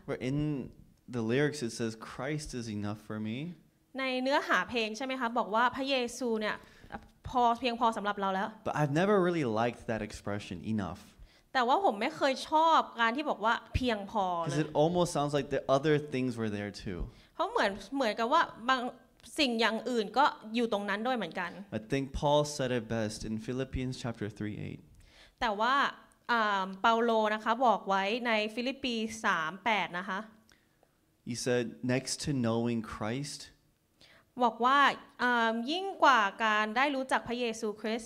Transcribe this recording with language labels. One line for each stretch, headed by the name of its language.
English: Where in the lyrics it says Christ is enough for me
Thai: ในเนื้อหาเพลงใช่มั้ยคะบอกว่าพระเยซูเนี่ยพอเพียงพอสำหรับเราแล้ว
English: But I've never really liked that expression enough
Thai: แต่ว่าผมไม่เคยชอบการที่บอกว่าเพียงพอ
English: Because it almost sounds like the other things were there too
Thai: เพราะเหมือนกับว่าบางสิ่งอย่างอื่นก็อยู่ตรงนั้นด้วยเหมือนกัน
English: I think Paul said it best in Philippians chapter 3:8
Thai: แต่ว่าเปาโลนะคะบอกไว้ในฟิลิปปี 3:8 นะคะ
English: He said next to knowing Christ
Thai: บอกว่ายิ่งกว่าการได้รู้จักพระเยซูคริสต